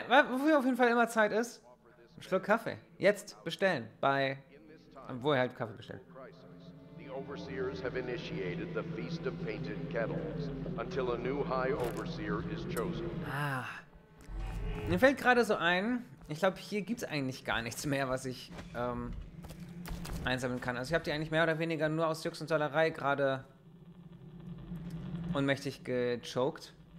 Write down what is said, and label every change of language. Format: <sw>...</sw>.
<de>Wofür auf jeden Fall immer Zeit ist, ein Schluck Kaffee. Jetzt bestellen. Bei, wo er halt Kaffee bestellt.</de> <en>The overseers have initiated the feast of painted kettles until a new high overseer is chosen.</en> <de>Ah. Mir fällt gerade so ein, ich glaube, hier gibt es eigentlich gar nichts mehr, was ich einsammeln kann. Also ich habe die eigentlich mehr oder weniger nur aus Jux und Sollerei gerade ohnmächtig gechoked.</de>